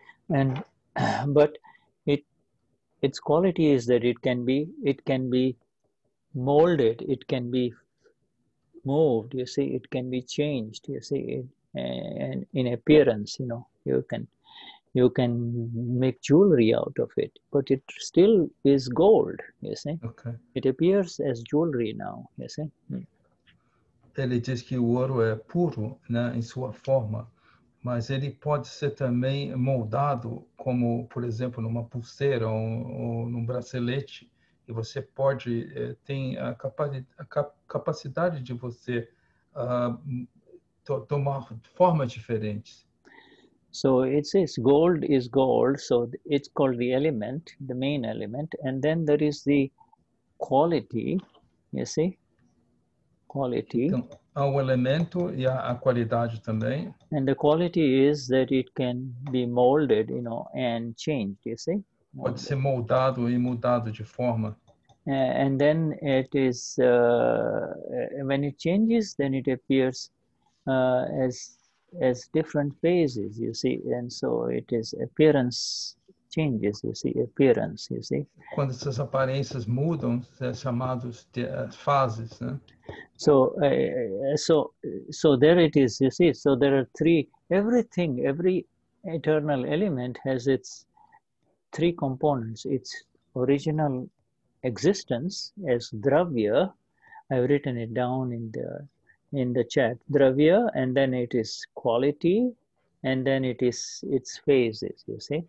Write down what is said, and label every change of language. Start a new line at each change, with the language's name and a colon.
English: And but its quality is that it can be molded, it can be moved, you see, it can be changed, you see, in appearance, you know, you can make jewelry out of it, but it still is gold, you see? Okay. It appears as jewelry now, you see?
Portuguese: Ele diz que o ouro é puro, né, em sua forma, mas ele pode ser também moldado, como, por exemplo, numa pulseira ou num bracelete, e você pode, tem a capacidade de você tomar formas diferentes.
English: So it says gold is gold, so it's called the element, the main element, and then there is the quality, you see? Quality.
Portuguese: Então, há o elemento e a qualidade também.
English: And the quality is that it can be molded, you know, and changed, you see?
Portuguese: Pode ser moldado e mudado de forma.
English: And then it is, when it changes, then it appears as different phases, you see, and so it is appearance changes, you see, appearance, you see.
Portuguese: Quando essas aparências mudam, é chamados de fases, né?
English: So there it is, you see, so there are three, everything, every eternal element has its three components, its original existence as dravya. I've written it down in the chat, dravya, and then it is quality, and then it is its phases, you see.